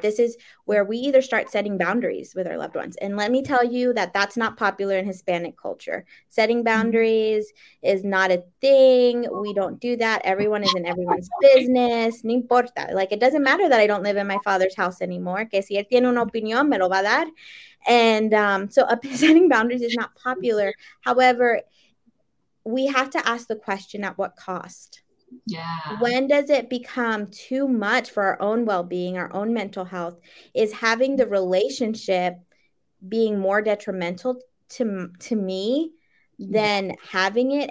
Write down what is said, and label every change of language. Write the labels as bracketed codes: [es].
[en] This is where we either start setting boundaries with our loved ones. And let me tell you that that's not popular in Hispanic culture. Setting boundaries is not a thing. We don't do that. Everyone is in everyone's business. [es] No importa. [en] Like, it doesn't matter that I don't live in my father's house anymore. [es] Que si él tiene una opinión, me lo va a dar. [en] And setting boundaries is not popular. However, we have to ask the question, at what cost? Yeah. When does it become too much for our own well-being, our own mental health? Is having the relationship being more detrimental to me than having it?